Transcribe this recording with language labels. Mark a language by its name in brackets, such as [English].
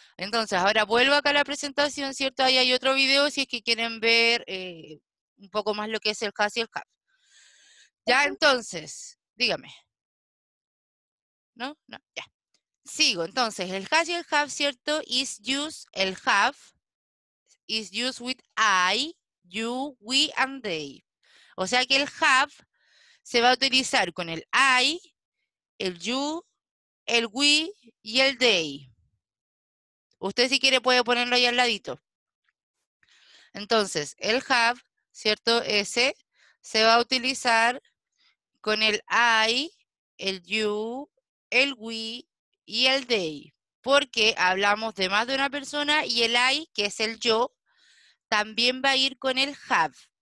[Spanish] Entonces, ahora vuelvo acá a la presentación, ¿cierto? Ahí hay otro video si es que quieren ver un poco más lo que es el has y el have. Ya, entonces, dígame. ¿No? No, ya. Sigo, entonces, el has y el have, ¿cierto? [English] Is used, el have, is used with I, you, we, and they. [Spanish] O sea que el have se va a utilizar con el I, el you, el we, y el they. Usted si quiere puede ponerlo ahí al ladito. Entonces, el have, ¿cierto? Ese, se va a utilizar con el I, el you, el we, y el they, porque hablamos de más de una persona, y el I, que es el yo, también va a ir con el have.